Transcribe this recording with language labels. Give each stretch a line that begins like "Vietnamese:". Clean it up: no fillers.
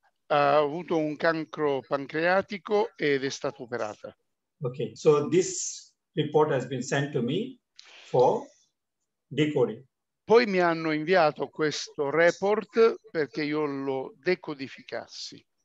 Italian: Ha avuto un cancro pancreatico ed è stata operata.
English: Okay, so this report has been sent to me for decoding.
Italian: Poi mi hanno inviato questo report perché io lo decodificassi.